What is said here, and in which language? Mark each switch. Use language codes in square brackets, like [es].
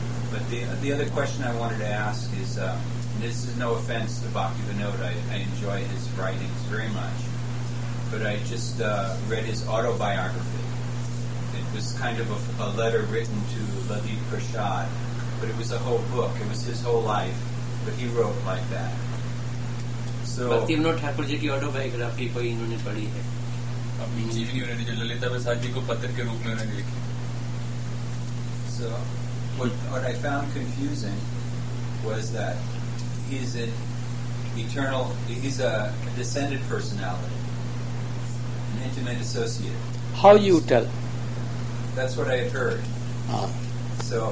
[en] But the other question I wanted to ask is, this is no offense to Bhakti Vinod, I enjoy his writings very much, but I just read his autobiography. It was kind of a letter written to Ladi Prasad, but it was a whole book. It was his whole life, but he wrote like that. So, [hi] Bhakti Vinod Thakur ji ki autobiography koi inhone padhi hai. अपनी जीवनी उन्होंने जो ललिता प्रसाद जी को पत्र के रूप में उन्होंने लिखी. [en] So, what I found confusing was that he's an eternal, he's a descended personality, an intimate associate. How you tell? That's what I had heard. So